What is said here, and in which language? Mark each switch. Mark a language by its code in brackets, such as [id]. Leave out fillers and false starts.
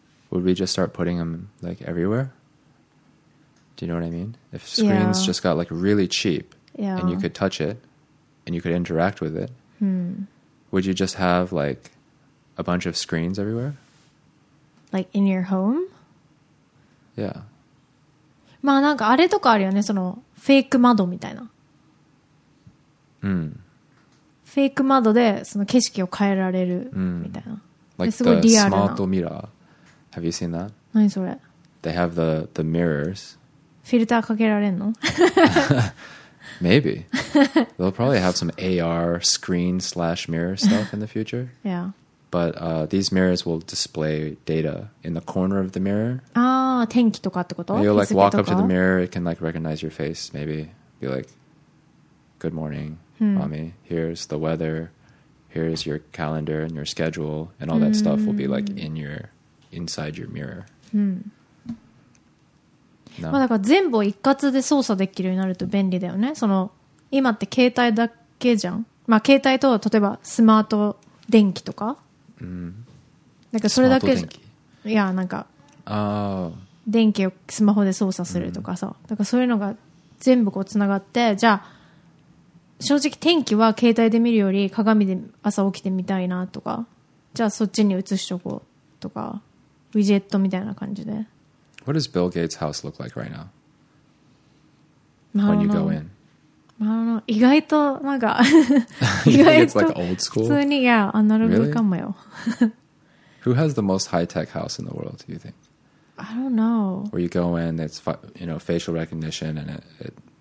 [en] Would we just start putting them like everywhere? Do you know what I mean? If screens just got like really cheap and you could touch it and you could interact with it, would you just have like a bunch of screens everywhere? Like in your home? Yeah. [ja] まあなんかあれとかあるよね、そのフェイク窓みたいな。フェイク窓でその景色を変えられるみたいな。 [en] Like [ja] すごいリアルな。 [en] The smart mirror. Have you seen that? [ja] 何それ? [en] They have the mirrors. [ja] フィルターかけられんの? [en] Maybe. They'll probably have some AR screen/mirror stuff in the future. Yeah. But these mirrors will display data in the corner of the mirror. [ja] Ah, 天気とかってこと? [en] You'll like walk up to the mirror, it can like recognize your face, maybe. Be like, good morning. Mommy, here's the weather, here's your calendar and your schedule, and all that stuff will be like in your, inside your mirror. No? [ja] まあだから全部を一括で操作できるようになると便利だよね。その今って携帯だけじゃん。まあ携帯と例えばスマート電気とか。なんかそれだけ。いやなんか。電気をスマホで操作するとかさ、だからそういうのが全部こうつながって、じゃあ正直天気は携帯で見るより鏡で朝起きてみたいなとか、じゃあそっちに移しとこうとか、ウィジェットみたいな感じで。 [en] What does Bill Gates' house look like right now? When you go in? I don't know. [ja] 意外となんか意外と [en] like old school? [ja] 普通に、いや、アナログかもよ。 [en] Who has the most high-tech house in the world, do you think? I don't know. Where you go in, it's you know, facial recognition and it.